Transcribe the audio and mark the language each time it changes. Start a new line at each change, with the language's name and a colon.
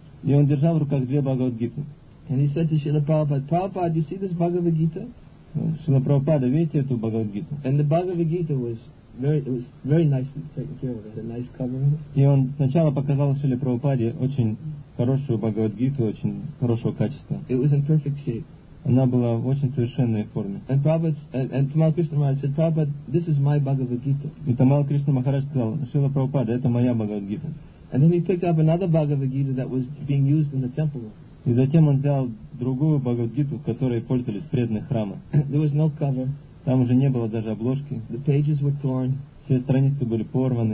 Russian: И он держал в руках две Бхагавад-гиты.
English: And he said to Srila Prabhupada, Prabhupada, you see this Bhagavad-gita?
Russian: Srila Prabhupada, видите эту Бхагавад-гиту?
English: And the Bhagavad-gita was very nicely taken care of. It had a nice covering.
Russian: И он сначала показал Шриле Прабхупаде очень хорошую Бхагавад-гиту, очень хорошего качества.
English: It was in perfect shape.
Russian: Она была в очень совершенной форме.
English: And Tamal Krishna Maharaj said, Prabhupada, this is my Bhagavad-gita.
Russian: И Тамал Кришна Махарадж сказал, Шрила Прабхупада, это моя Бхагавад-гита.
English: And then he picked up another Bhagavad-gita that was being used in the temple.
Russian: И затем он взял другую Бхагавад-гиту, которой пользовались преданные храма.
English: There was no cover.
Russian: Там уже не было даже обложки.
English: The pages were torn.
Russian: Все страницы были порваны.